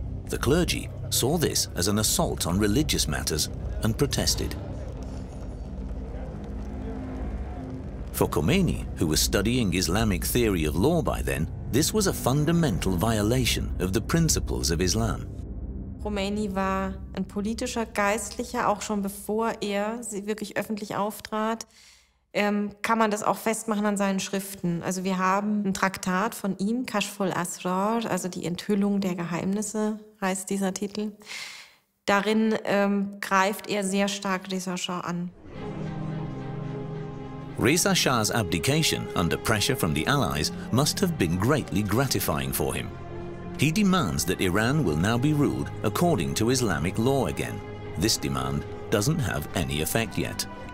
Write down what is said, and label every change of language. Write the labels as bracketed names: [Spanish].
[English] The clergy saw this as an assault on religious matters and protested. For Khomeini, who was studying Islamic theory of law by then, this was a fundamental violation of the principles of Islam. [German] Khomeini war ein politischer Geistlicher, auch schon bevor er wirklich öffentlich auftrat. Kann man das auch festmachen an seinen Schriften. Also wir haben ein Traktat von ihm, Kashful Asrar, also die Enthüllung der Geheimnisse, heißt dieser Titel. Darin greift er sehr stark Reza Shah an. [English] Reza Shah's abdication under pressure from the Allies must have been greatly gratifying for him. He demands that Iran will now be ruled according to Islamic law again. This demand doesn't have any effect yet.